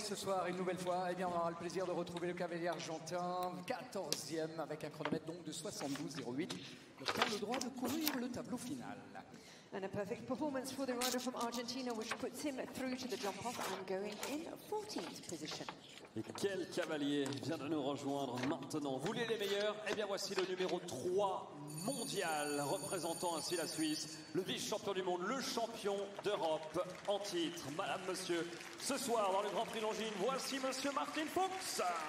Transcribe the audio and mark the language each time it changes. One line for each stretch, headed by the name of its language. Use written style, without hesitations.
French: Ce soir, une nouvelle fois, eh bien, on aura le plaisir de retrouver le cavalier argentin, 14e, avec un chronomètre donc de 72,08. Il a le droit de courir le tableau final.
English: And a perfect performance for the rider from Argentina, which puts him through to the jump-off and going in 14th position.
French: Et quel cavalier vient de nous rejoindre maintenant. Vous voulez les meilleurs? Eh bien, voici le numéro 3 mondial, représentant ainsi la Suisse, le vice-champion du monde, le champion d'Europe en titre. Madame, monsieur, ce soir, dans le Grand Prix Longines, voici monsieur Martin Fuchs.